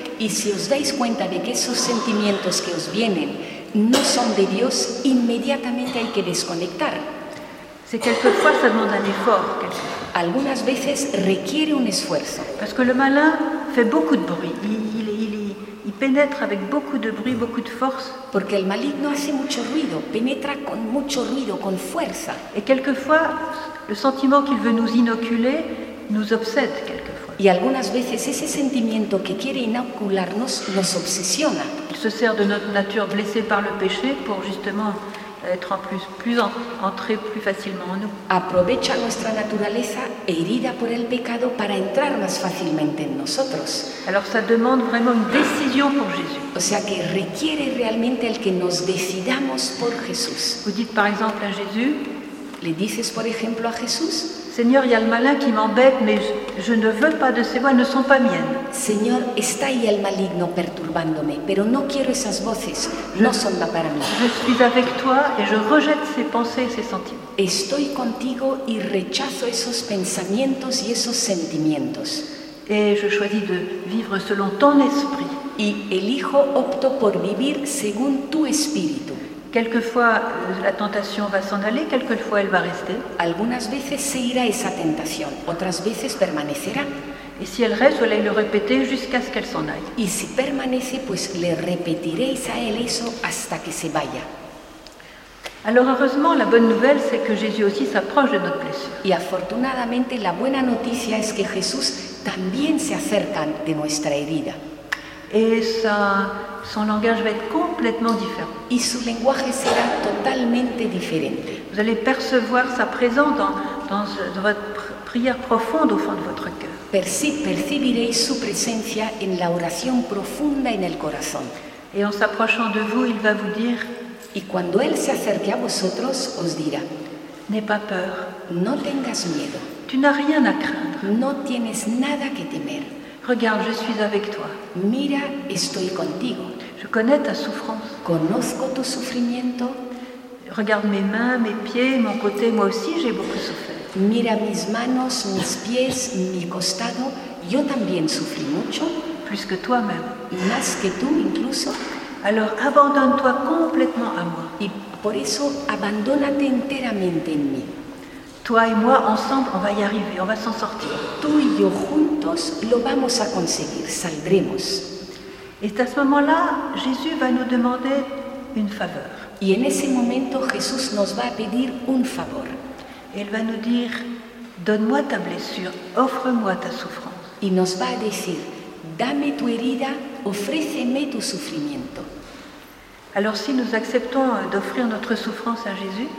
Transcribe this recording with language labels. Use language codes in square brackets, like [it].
[es] Y si os dais cuenta de que esos sentimientos que os vienen no son de Dios, inmediatamente hay que desconectar. [fr] C'est quelquefois ça demande un effort. [es] Algunas veces requiere un esfuerzo. [fr] Parce que le malin fait beaucoup de bruit. Il pénètre avec beaucoup de bruit, beaucoup de force. [es] Porque el maligno hace mucho ruido, penetra con mucho ruido, con fuerza. [fr] Et quelquefois, le sentiment qu'il veut nous inoculer nous obsède quelquefois. [es] Y algunas veces ese sentimiento que quiere inocularnos nos obsesiona. [fr] Il se sert de notre nature blessée par le péché pour justement être en plus entrer plus facilement en nous. [es] Aprovecha nuestra naturaleza herida por el pecado para entrar más fácilmente en nosotros. [fr] Alors ça demande vraiment une décision pour Jésus. [es] O sea que requiere realmente el que nos decidamos por Jesús. [fr] Vous dites par exemple à Jésus, [es] le dices por ejemplo a Jesús, Señor, y al [fr] malin qui m'embête, mais je ne veux pas de ces voix, ne sont pas miennes. [es] Señor, está ahí el maligno perturbándome, pero no quiero esas voces, no son para mí. [fr] Je suis avec toi et je rejette ces pensées et ces sentiments. [es] Estoy contigo y rechazo esos pensamientos y esos sentimientos. [fr] Et je choisis de vivre selon ton esprit. [es] Y elijo, opto por vivir según tu espíritu. [fr] Quelquefois la tentation va s'en aller, quelquefois elle va rester. [es] Algunas veces se irá esa tentación, otras veces permanecerá. [fr] Et si elle reste, vous allez le répéter jusqu'à ce qu'elle s'en aille. [es] Y si permanece, pues le repetiréis a él eso hasta que se vaya. [fr] Alors heureusement, la bonne nouvelle, c'est que Jésus aussi s'approche de notre blessure. [es] Y afortunadamente, la buena noticia es que Jesús también se acerca de nuestra herida. [fr] Et son langage va être complètement différent. [es] Y su lenguaje será totalmente diferente. [fr] Vous allez percevoir sa présence dans votre prière profonde au fond de votre cœur. [es] Percibiréis su presencia en la oración profunda en el corazón. [fr] Et en s'approchant de vous, il va vous dire. [es] Y cuando él se acerque a vosotros, os dirá. [fr] N'aie pas peur. [es] No tengas miedo. [fr] Tu n'as rien à craindre. [es] No tienes nada que temer. [fr] Regarde, je suis avec toi. [es] Mira, estoy contigo. [fr] Je connais ta souffrance. [es] Conozco tu sufrimiento. [fr] Regarde mes mains, mes pieds, mon côté. Moi aussi, j'ai beaucoup souffert. [es] Mira mis manos, mis pies, mi costado. Yo también sufrí mucho. [fr] Plus que toi-même. [es] Más que tú incluso. [fr] Alors, abandonne-toi complètement à moi. [es] Y por eso, abandónate enteramente en mí. [fr] Toi et moi, ensemble, on va y arriver, on va s'en sortir. [es] Tú y yo juntos lo vamos a conseguir, saldremos. [fr] Et à ce moment-là, Jésus va nous demander une faveur. [es] Y en ese momento, Jesús nos va a pedir un favor. [fr] Et il va nous dire, donne-moi ta blessure, offre-moi ta souffrance. [es] Y nos va a decir, dame tu herida, ofréceme tu sufrimiento. [fr] Alors si nous acceptons d'offrir notre souffrance à Jésus,